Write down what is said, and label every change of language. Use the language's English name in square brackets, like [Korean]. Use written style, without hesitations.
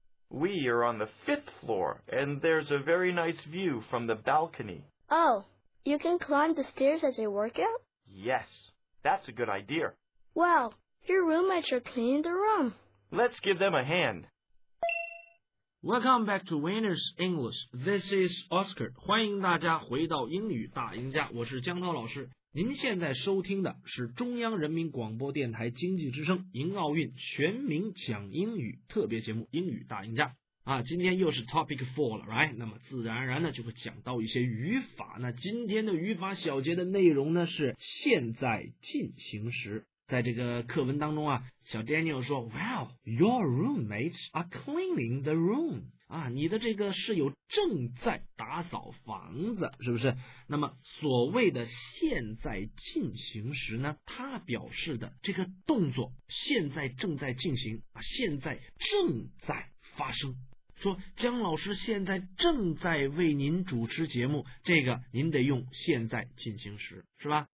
[English] We are on the fifth floor, and there's a very nice view from the balcony. Oh, you can climb the stairs as a workout? Yes, that's a good idea. Well... Your roommates are cleaning the room. Let's give them a hand. Welcome back to Winners English. This is Oscar. [Chinese] 欢迎大家回到英语大赢家，我是江涛老师。您现在收听的是中央人民广播电台经济之声迎奥运全民讲英语特别节目英语大赢家。啊，今天又是 Topic 4了 ，right？ 那么自然而然呢，就会讲到一些语法。那今天的语法小节的内容呢，是现在进行时。在这个课文当中啊，小 Daniel 说 [English] Wow, your roommates are cleaning the room. [Chinese] 啊，你的这个室友正在打扫房子，是不是？那么所谓的现在进行时呢，它表示的这个动作现在正在进行，现在正在发生。说江老师现在正在为您主持节目，这个您得用现在进行时，是吧？